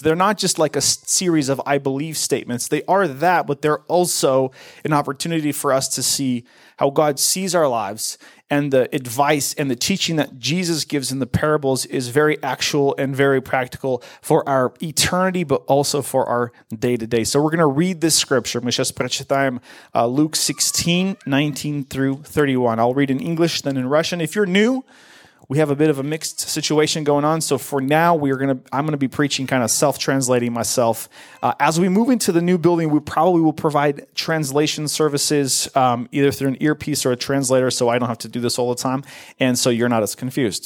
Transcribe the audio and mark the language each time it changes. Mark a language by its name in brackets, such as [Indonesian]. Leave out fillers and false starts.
[English] They're not just like a series of I believe statements. They are that, but they're also an opportunity for us to see how God sees our lives, and the advice and the teaching that Jesus gives in the parables is very actual and very practical for our eternity, but also for our day-to-day. So we're going to read this scripture. [Russian] Мы сейчас прочитаем [English] Luke 16, 19 through 31. I'll read in English, then in Russian. If you're new, we have a bit of a mixed situation going on. So for now, I'm going to be preaching, kind of self-translating myself. As we move into the new building, we probably will provide translation services either through an earpiece or a translator, so I don't have to do this all the time, and so you're not as confused.